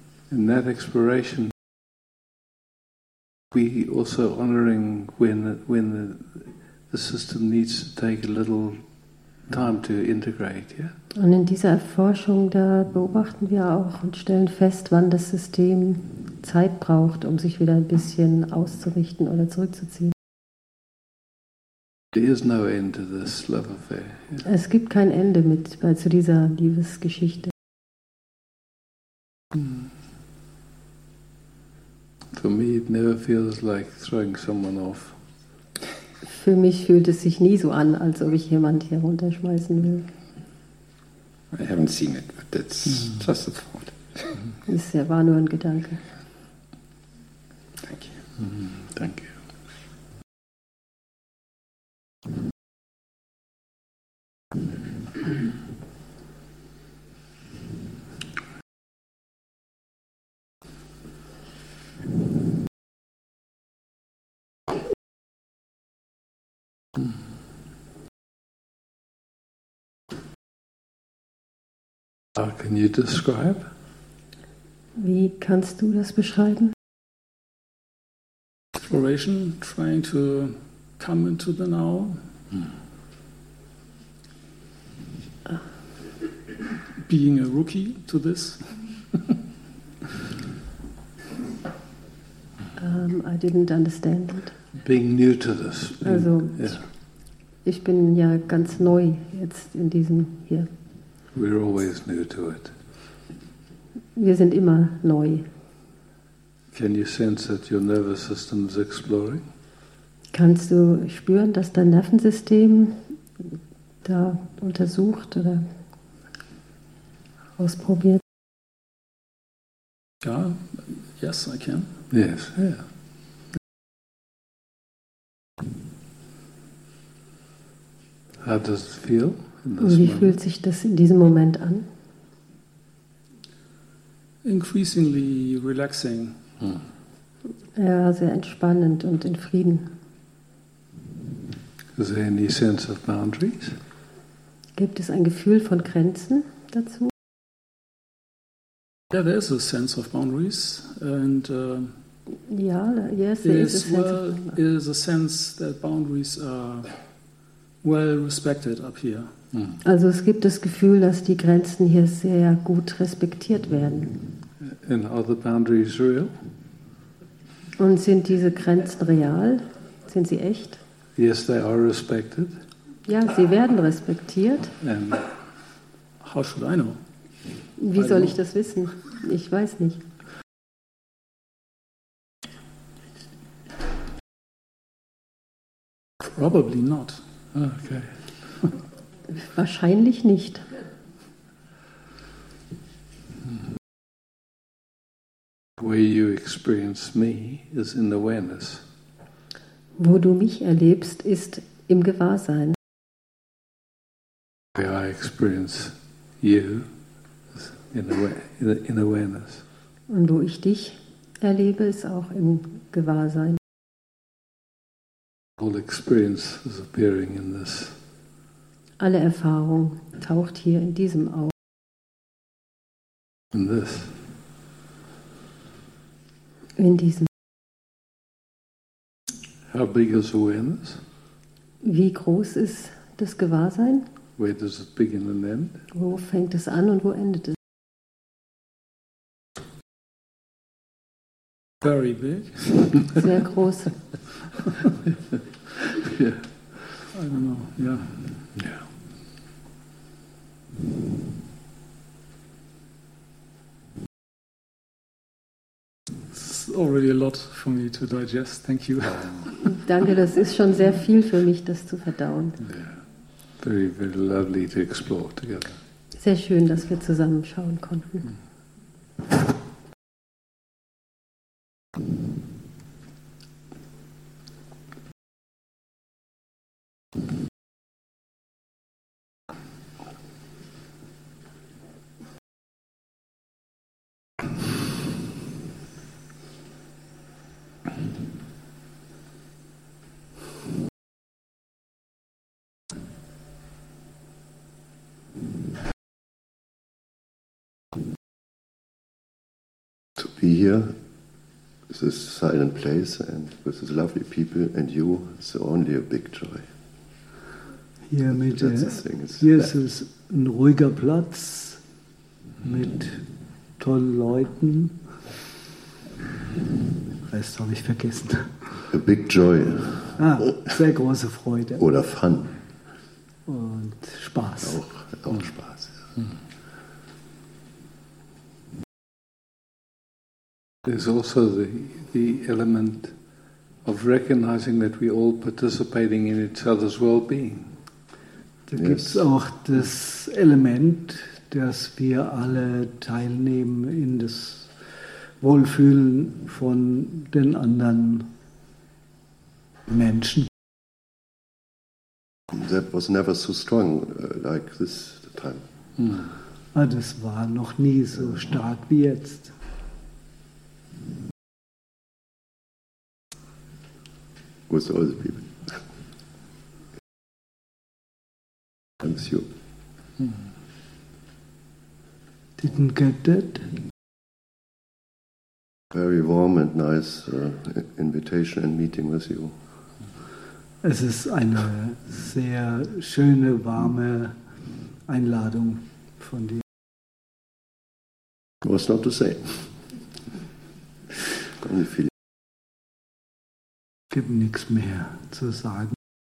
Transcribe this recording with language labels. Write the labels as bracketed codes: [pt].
[en] In that exploration, we also honoring when the system needs to take a little time to integrate, yeah? [de] Und in dieser Erforschung, da beobachten wir auch und stellen fest, wann das System Zeit braucht, um sich wieder ein bisschen auszurichten oder zurückzuziehen. [en] There is no end to this love affair, yeah? [de] Es gibt kein Ende mit zu dieser Liebesgeschichte. [en] For me it never feels like throwing someone off. [de] Für mich fühlt es sich nie so an, als ob ich jemand hier runterschmeißen will. [en] I haven't seen it, but that's just a thought. [de] Es war nur ein Gedanke. [en] Thank you. Mm-hmm. Thank you. How can you describe? [de] Wie kannst du das beschreiben? [en] Exploration, trying to come into the now. Being a rookie to this. I didn't understand it. Being new to this. Also, yeah. [de] Ich bin ja ganz neu jetzt in diesem hier. [en] We're always new to it. [de] Wir sind immer neu. [en] Can you sense that your nervous system is exploring? [de] Kannst du spüren, dass dein Nervensystem da untersucht oder ausprobiert? [en] Ja, yes, I can. Yes, yeah. How does it feel? [de] Wie fühlt sich das in diesem Moment an? [en] Increasingly relaxing. [de] Ja, sehr entspannend und in Frieden. [en] Is there any sense of boundaries? [de] Gibt es ein Gefühl von Grenzen dazu? [en] Yeah, there's a sense of boundaries, and there is a sense that boundaries are well respected up here. Mm. [de] Also es gibt das Gefühl, dass die Grenzen hier sehr gut respektiert werden. [en] And are the boundaries real? [de] Und sind diese Grenzen real? Sind sie echt? [en] Yes, they are respected. [de] Ja, sie werden respektiert. [en] And how should I know? [de] Wie soll ich das wissen? Ich weiß nicht. [en] Probably not. Okay. [de] Wahrscheinlich nicht. [en] Where you experience me is in awareness. [de] Wo du mich erlebst, ist im Gewahrsein. [en] Where I experience you is in awareness. [de] Und wo ich dich erlebe, ist auch im Gewahrsein. [en] All experience is appearing in this. [de] Alle Erfahrung taucht hier in diesem auf. [en] In this. [de] In diesem. [en] How big is awareness? [de] Wie groß ist das Gewahrsein? [en] Where does it begin and end? [de] Wo fängt es an und wo endet es? [en] Very big. [de] Sehr groß. [en] Yeah. I don't know. Yeah. Yeah. It's already a lot for me to digest. Thank you. [de] Danke, das ist schon sehr viel für mich, das zu verdauen. [en] Yeah. Very, very lovely to explore together. [de] Sehr schön, dass wir zusammen schauen konnten. [en] Be here, this silent place, and with these lovely people, and you, it's only a big joy. Yeah, mit that's the thing. [de] It's hier ist es ein ruhiger Platz mit tollen Leuten. Rest habe ich vergessen. [en] A big joy. [de] Ah, sehr große Freude. Oder Fun. Und Spaß. Auch Spaß, ja. [en] There's also the element of recognizing that we're all participating in each other's well-being. [de] Da gibt es auch das Element, dass wir alle teilnehmen in das Wohlfühlen von den anderen Menschen. [en] That was never so strong like this time. [de] Ah, das war noch nie so stark wie jetzt. [en] With all the people. Thanks you. Didn't get that. Very warm and nice invitation and meeting with you. [de] Es ist eine sehr schöne, warme Einladung von dir. [en] What's not to say? [de] Gibt nichts mehr zu sagen.